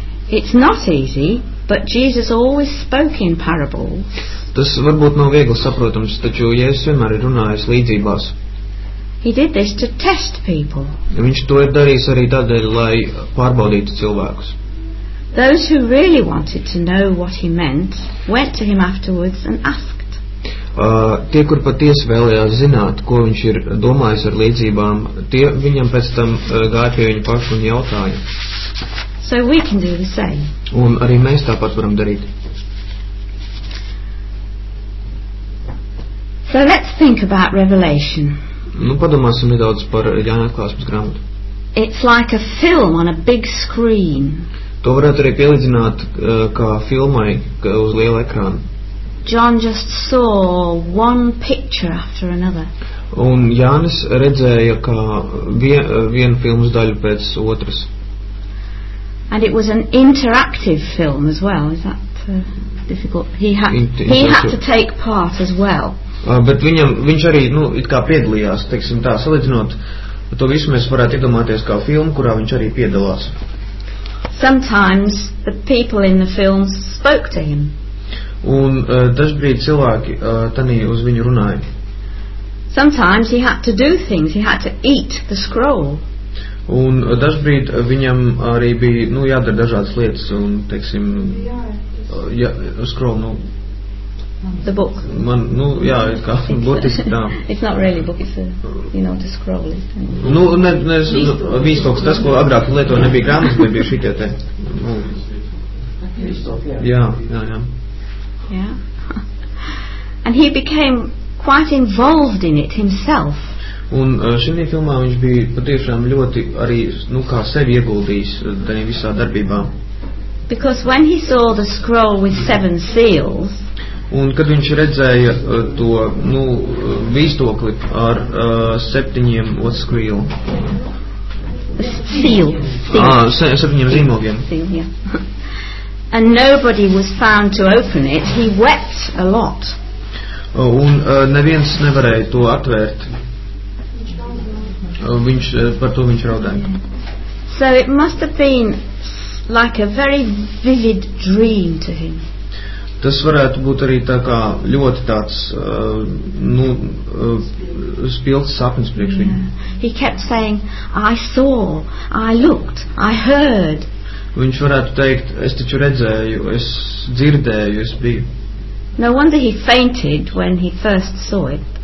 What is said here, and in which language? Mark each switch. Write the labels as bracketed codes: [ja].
[en] It's not easy, but Jesus always spoke in parables. [lv] Tas varbūt nav viegli saprotams, taču Jēzus vienmēr ir runājis līdzībās. [en] He did this to test people. [lv] Viņš to ir darījis arī tādēļ, lai pārbaudītu cilvēkus. [en] Those who really wanted to know what he meant went to him afterwards and asked. [lv] Tie, kur patiesi vēlējās zināt, ko viņš ir domājis ar līdzībām, tie viņam pēc tam gāja pie viņa paša un jautāja. [en] So we can do the same. [lv] Un arī mēs tāpat varam darīt. [en] So let's think about Revelation. [lv] Nu, padomāsim nedaudz par Jāņa atklāsmes grāmatu. [en] It's like a film on a big screen. [lv] To varētu arī pielīdzināt kā filmai uz liela ekrāna. [en] John just saw one picture after another. [lv] Un Jānis redzēja kā vienu filmas daļu pēc otras. [en] And it was an interactive film as well, is that difficult? He had to take part as well. [lv] Bet viņš arī, nu, it kā piedalījās, teiksim tā, salīdzinot, to visu mēs varētu iedomāties kā filmu, kurā viņš arī piedalās. [en] Sometimes the people in the films spoke to him. [lv] Un dažbrīd cilvēki tanī uz viņu runāja. [en] Sometimes he had to do things, he had to eat the scroll. [lv] Un dažbrīd viņam arī bija, nu, jādara dažādas lietas, un, teiksim, ja, scroll, nu, [en] the book. [lv] Man, nu, jā, kā būtiski, tā. [en] It's not really a book, it's a, you know, to scroll it. [lv] Nu, ne, ne, viss kaut kas, tas, ko agrāk lieto, nebija grāmatas, bet bija šitie te. Nu. Jā, jā, jā. [en] Yeah. And he became quite involved in it himself. [lv] Un šajā filmā viņš bija patiešām ļoti arī, nu, kā sevi ieguldījis arī visā darbībā. [en] Because when he saw the scroll with seven seals, [lv] un kad viņš redzēja to, nu, vīstokli ar septiņiem [en] what scroll. Seal. [lv] Septiņiem zīmogiem. [en] And nobody was found to open it. He wept a lot. [lv] Un neviens nevarēja to atvērt. Viņš, par to viņš raudāja. [en] So it must have been like a very vivid dream to him. [lv] Tas varētu būt arī tā kā ļoti tāds, nu, spilts sapnis priekš viņu. [en] Yeah. He kept saying, I saw, I looked, I heard. [lv] Viņš varētu teikt, es taču redzēju, es dzirdēju, es biju. [en] No wonder he fainted when he first saw it.